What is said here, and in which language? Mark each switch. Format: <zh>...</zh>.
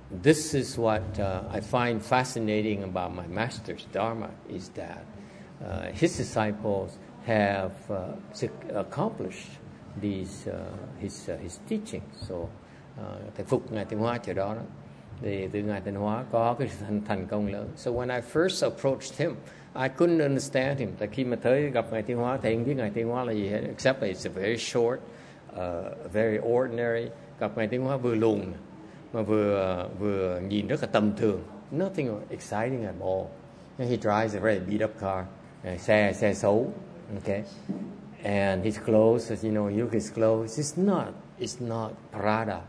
<en>This is what I find fascinating about my master's dharma is that his disciples have accomplished these his teaching.</en> <vi>So thầy phục Ngài Tịnh Hóa chỗ đó, đó thì từ Ngài Tịnh Hóa có cái thành công lớn.</vi> <en>So when I first approached him, I couldn't understand him.</en> <vi>Tại khi mà tới gặp Ngài Tịnh Hóa thì không biết Ngài Tịnh Hóa là gì hết,</vi> <en>except that it's a very short, very ordinary.</en> <vi>Gặp Ngài Tịnh Hóa vừa lùn mà vừa nhìn rất là tầm thường,</vi> <en>nothing exciting at all. And he drives a very beat up car,</en> <vi>xe xấu,</vi> <en>okay. And his clothes, as you know, you look at his clothes, it's not Prada.</en>